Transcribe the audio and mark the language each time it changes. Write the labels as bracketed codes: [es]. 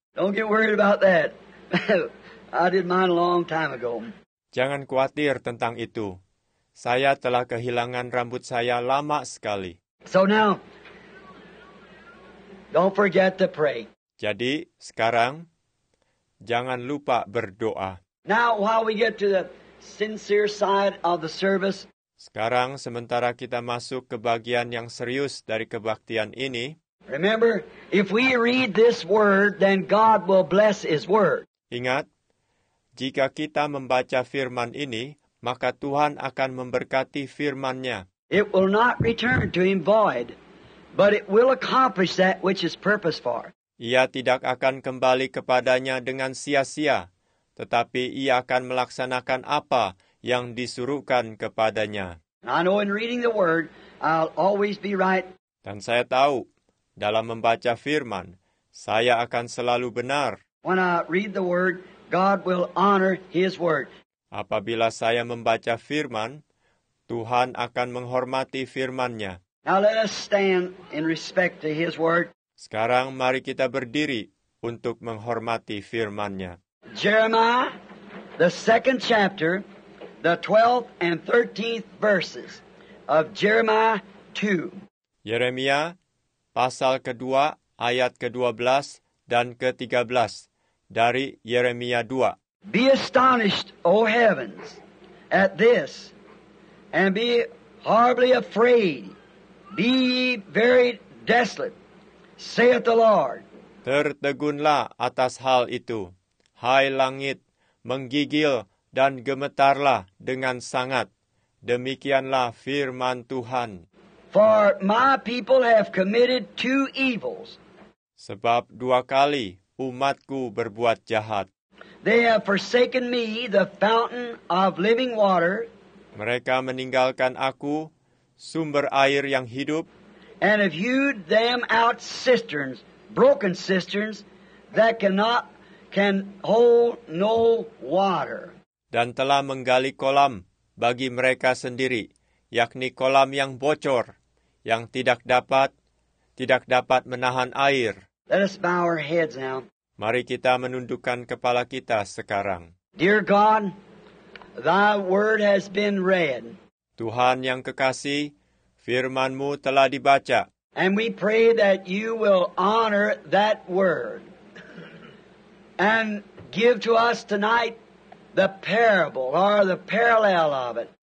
[en] Don't get worried about that. I did mine a long time ago. [id] Jangan khawatir tentang itu. Saya telah kehilangan rambut saya lama sekali. [en] So now, don't forget to pray. [id] Jadi, sekarang, jangan lupa berdoa. [en] Now, while we get to the sincere side of the service, [id] sekarang, sementara kita masuk ke bagian yang serius dari kebaktian ini, [en] remember, if we read this word, then God will bless His word. [id] Ingat, jika kita membaca firman ini, maka Tuhan akan memberkati firman-Nya. [en] It will not return to Him void, but it will accomplish that which is purposed for. [id] Ia tidak akan kembali kepadanya dengan sia-sia, tetapi ia akan melaksanakan apa yang disuruhkan kepadanya. [en] I know in reading the word, I'll always be right. [id] Dan saya tahu, dalam membaca firman, saya akan selalu benar. [en] When I read the word, God will honor His word. [id] Apabila saya membaca firman, Tuhan akan menghormati firman-Nya. [en] Now let us stand in respect to His word. [id] Sekarang mari kita berdiri untuk menghormati firman-Nya. [en] Jeremiah, the second chapter, the 12th and 13th verses of Jeremiah 2. [id] Yeremia, pasal kedua, ayat ke-12 dan ke-13 dari Yeremia 2. [en] Be astonished, O heavens, at this, and be horribly afraid, be ye very desolate, saith the Lord. [id] Tertegunlah atas hal itu, hai langit, menggigil dan gemetarlah dengan sangat. Demikianlah firman Tuhan. [en] For my people have committed two evils. [id] Sebab dua kali umatku berbuat jahat. [en] They have forsaken me, the fountain of living water. [id] Mereka meninggalkan aku, sumber air yang hidup. [en] And have hewed them out cisterns, broken cisterns, that can hold no water. [id] Dan telah menggali kolam bagi mereka sendiri, yakni kolam yang bocor, yang tidak dapat menahan air. [en] Let us bow our heads now. [id] Mari kita menundukkan kepala kita sekarang. [en] Dear God, Thy word has been read. [id] Tuhan yang kekasih, firman-Mu telah dibaca. [en] And we pray that You will honor that word and give to us tonight the parable or the parallel of it.